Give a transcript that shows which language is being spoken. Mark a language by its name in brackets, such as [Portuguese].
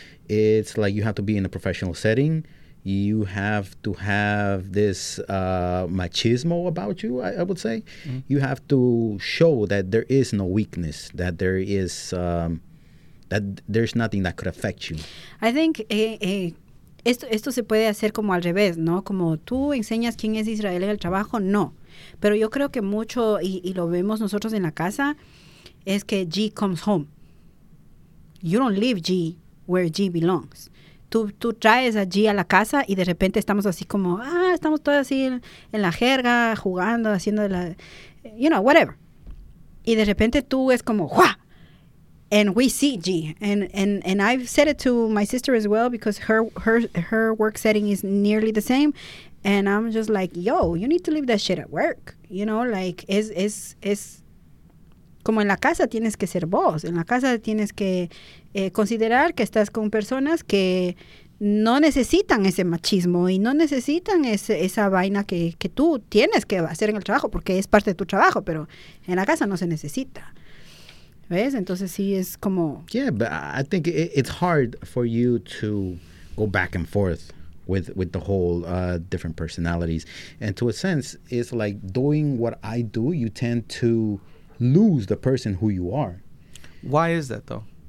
[English] it's like you have to be in a professional setting. You have to have this machismo about you, I would say. Mm-hmm. You have to show that there is no weakness, that there is that there's nothing that could affect you. [Spanish] I think esto se puede hacer como al revés, ¿no? Como tú enseñas quién es Israel en el trabajo, no. Pero yo creo que mucho, y lo vemos nosotros en la casa, es que [English] G comes home. You don't leave G where G belongs. [Spanish] Tú traes a G a la casa y de repente estamos así como, estamos todos así en la jerga, jugando, haciendo la, [English] you know, whatever. [Spanish] Y de repente tú es como, ¡juá! [English] And we see G. And I've said it to my sister as well, because her work setting is nearly the same. And I'm just like, yo, you need to leave that shit at work. You know, like, [Spanish] es como en la casa tienes que ser vos. En la casa tienes que considerar que estás con personas que no necesitan ese machismo y no necesitan esa vaina que tú tienes que hacer en el trabajo, porque es parte de tu trabajo, pero en la casa no se necesita. ¿Ves? Entonces sí es como... [English] Yeah, but I think it's hard for you to go back and forth with the whole different personalities. And to a sense, it's like doing what I do, you tend to lose the person who you are. Why is that, though?